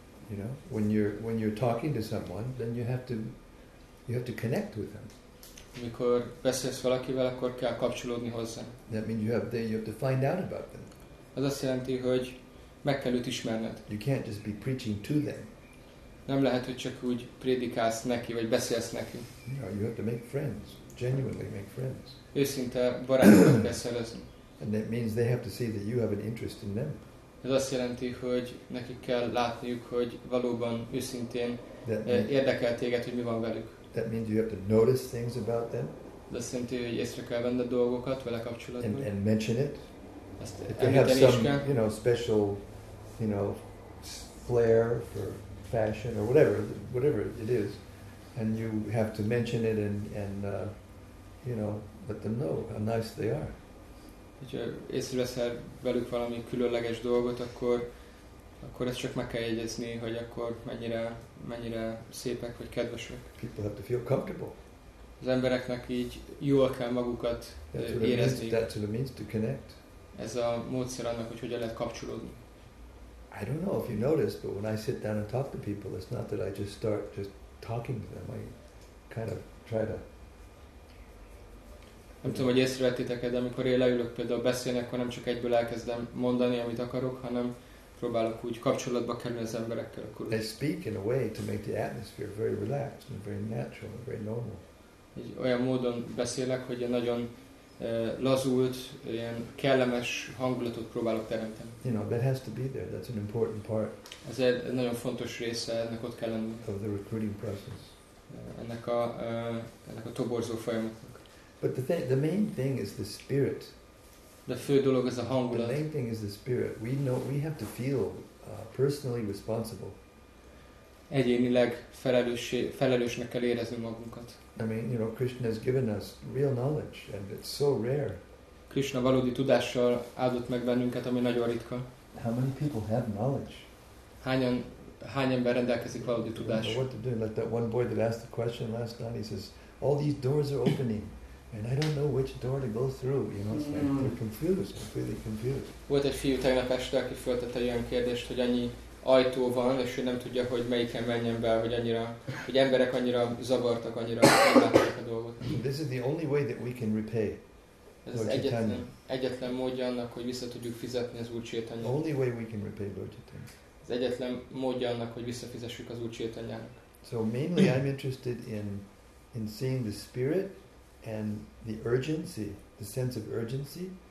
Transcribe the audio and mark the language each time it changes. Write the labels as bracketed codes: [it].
[en] You know, when you're talking to someone, then you have to connect with them. [hu] Amikor beszélsz valakivel, akkor kell kapcsolódni hozzá. [en] That means you have to find out about them. [hu] Az azt jelenti, hogy meg kell őt ismerned. [en] You can't just be preaching to them. [hu] Nem lehet, hogy csak úgy prédikálsz neki, vagy beszélsz neki. [en] You know, you have to make friends. Genuinely make friends. [hu] Őszinte barátokat kell szerezni. [en] And that means they have to see that you have an interest in them. [hu] Ez azt jelenti, hogy nekik kell látniuk, hogy valóban őszintén érdekel téged, hogy mi van velük. [en] That means you have to notice things about them. [hu] Ez azt jelenti, hogy észre kell venni dolgokat vele kapcsolatban. [en] And mention it. [hu] Ezt [en] if they have some, you know, special, you know, flair for fashion or whatever it is, and you have to mention it and you know, let them know how nice they are. [hu] Hogyha észreveszel velük valami különleges dolgot, akkor ezt csak meg kell jegyezni, hogy akkor mennyire szépek vagy kedvesek. [en] People have to feel comfortable. [hu] Az embereknek így jól kell magukat érezni. [en] That's what it means to connect. [hu] Ez a módszer annak, hogy hogyan lehet kapcsolódni. [en] I don't know if you noticed, but when I sit down and talk to people, it's not that I just start just talking to them. I kind of try to. [hu] Nem tudom, hogy észrevettétek-e, de amikor én leülök például beszélni, akkor nem csak egyből elkezdem mondani, amit akarok, hanem próbálok úgy kapcsolatba kerülni az emberekkel. Akkor [en] they speak in a way to make the atmosphere very relaxed and very natural and very normal. [hu] Egy olyan módon beszélek, hogy egy nagyon lazult, ilyen kellemes hangulatot próbálok teremteni. [en] You know, that has to be there. That's an important part. [hu] Ez egy nagyon fontos része, ennek ott kell lenni. [en] Of the recruiting process. [hu] Ennek a toborzó folyamatnak. [en] But the main thing is the spirit. [hu] The fő dolog ez a hangulat. [en] The main thing is the spirit. We know we have to feel personally responsible. [hu] Egyénileg felelősnek kell érezni magunkat. [en] I mean, you know, Krishna has given us real knowledge, and it's so rare. [hu] Krishna valódi tudással áldott meg bennünket, ami nagyon ritka. [en] How many people have knowledge? [hu] Hány ember rendelkezik valódi tudással? [en] What to do? Like that one boy that asked the question last night. He says, "All these doors are opening." And I don't know which door to go through, you know, so they're completely confused. [hu] Volt egy fiú tegnap este, aki föltette olyan kérdést, hogy annyi ajtó van, és ő nem tudja, hogy melyiken menjen be, hogy emberek annyira zavartak, annyira meglátják a dolgot. [en] This is the only way that we can repay. [hu] Ez az egyetlen módja annak, hogy vissza tudjuk fizetni az Úr Chaitanyának. [en] Only way we can repay Lord Chaitanya. [hu] Ez egyetlen módja annak, hogy visszafizessük az Úr Chaitanyának. [en] So mainly I'm interested in seeing the spirit, and the urgency, the sense of urgency.